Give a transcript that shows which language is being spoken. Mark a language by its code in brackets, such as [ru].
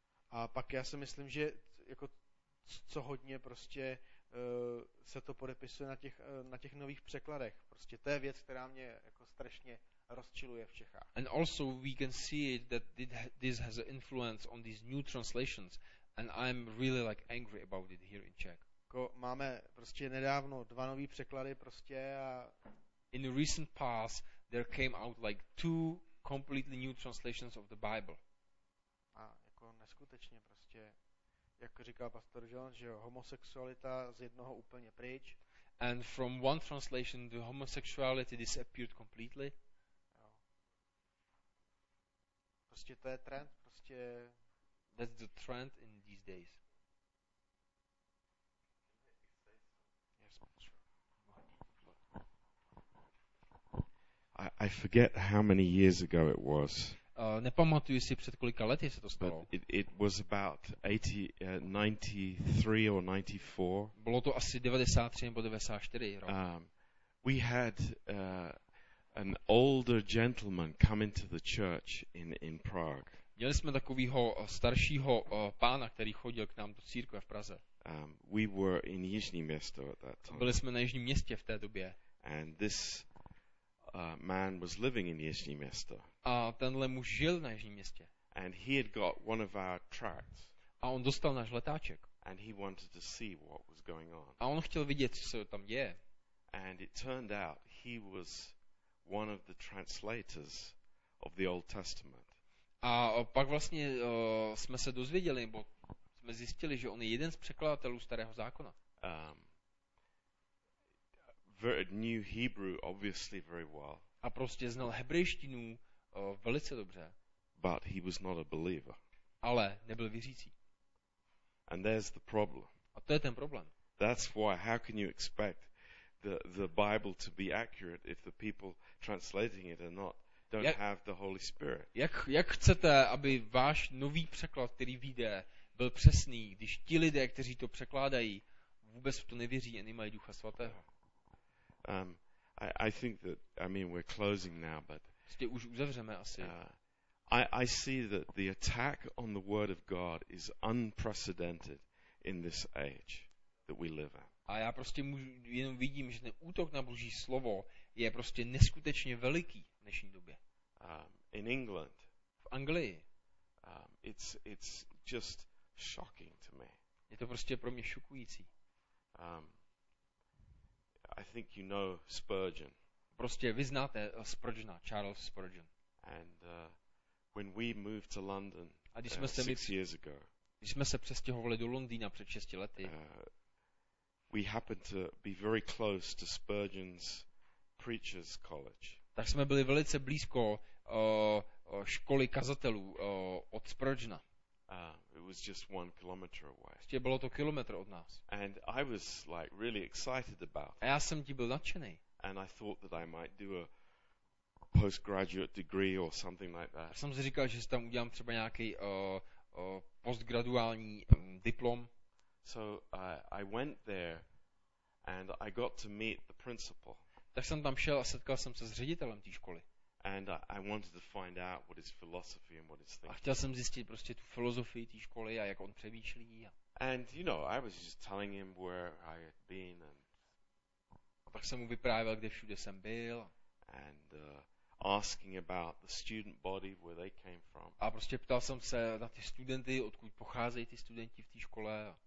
[cs] A pak já si myslím, že jako co hodně prostě se to podepisuje na těch nových překladech. Prostě to je věc, která mě jako strašně rozčiluje v Čechách. [en] And also we can see it that this has an influence on these new translations and I'm really like angry about it here in Czech. [cs] Máme prostě nedávno dva nový překlady prostě a [en] in the recent past there came out like two completely new translations of the Bible. [cs] A jako neskutečně prostě, jak říká pastor John, že homosexualita z jednoho úplně pryč. [en] And from one translation the homosexuality disappeared completely. [cs] Jo. Prostě to je trend, prostě [en] that's the trend in these days. I forget how many years ago it was. [cs] Nepamatuju si, před kolika lety se to stalo. [en] But it was about 93 or 94. [cs] Bylo to asi 93 nebo 94 rok. [en] We had an older gentleman come into the church in Prague. [cs] Měli jsme takového staršího pána, který chodil k nám do církve v Praze. [en] We were in Jižní město at that time. [cs] Byli jsme na Jižním městě v té době. [en] And this man was living in Jižní město. [cs] A tenhle muž žil na Jižním městě. [en] And he had got one of our tracts. [cs] A on dostal náš letáček. [en] And he wanted to see what was going on. [cs] A on chtěl vidět, co se tam děje. [en] And it turned out he was one of the translators of the Old Testament. [cs] A pak vlastně jsme se dozvěděli, bo jsme zjistili, že on je jeden z překladatelů Starého zákona. [en] Knew Hebrew obviously very well. [cs] A prostě znal hebrejštinu velice dobře. [en] But he was not a believer. [cs] Ale nebyl věřící. [en] And there's the problem. [cs] A to je ten problém. [en] That's why how can you expect the Bible to be accurate if the people translating it are not don't jak, have the Holy Spirit. [cs] Jak chcete, aby váš nový překlad, který vyjde, byl přesný, když ti lidé, kteří to překládají, vůbec v to nevěří a nemají Ducha svatého? [en] I think that I mean we're closing now, but [cs] už uzavřeme asi. [en] I see that the attack on the Word of God is unprecedented in this age that we live in. [cs] A já prostě jenom vidím, že ten útok na Boží slovo je prostě neskutečně veliký v dnešní době. [en] In England. [cs] V Anglii. [en] It's just shocking to me. [cs] Je to prostě pro mě šokující. [en] I think you know Spurgeon. [cs] Prostě vy znáte Spurgeona, Charles Spurgeon. [en] And when we moved to London, [cs] a když jsme když jsme se přestěhovali do Londýna před 6 lety, [en] we happened to be very close to Spurgeon's preacher's college. [cs] Tak jsme byli velice blízko školy kazatelů od Spurgeona. [en] It was just 1 kilometer away. [cs] Prostě bylo to kilometr od nás. [en] And I was like really excited about. [cs] A já jsem tím byl nadšený. [en] And I thought that I might do a postgraduate degree or something like that. [cs] Jsem si říkal, že si tam udělám třeba nějaký postgraduální diplom. [en] So I went there and I got to meet the principal. [cs] Tak jsem tam šel a setkal jsem se s ředitelem té školy. [en] And I wanted to find out what his philosophy and what his thinking. [cs] A chtěl jsem zjistit prostě tu filozofii té školy a jak on přemýšlí. [en] And you know, I was just telling him where I had been and [cs] a pak jsem mu vyprávěl, kde všude jsem byl. [en] And asking about the student body, where they came from. [cs] A prostě ptal jsem se na ty studenty, odkud pocházejí ty studenti v té škole.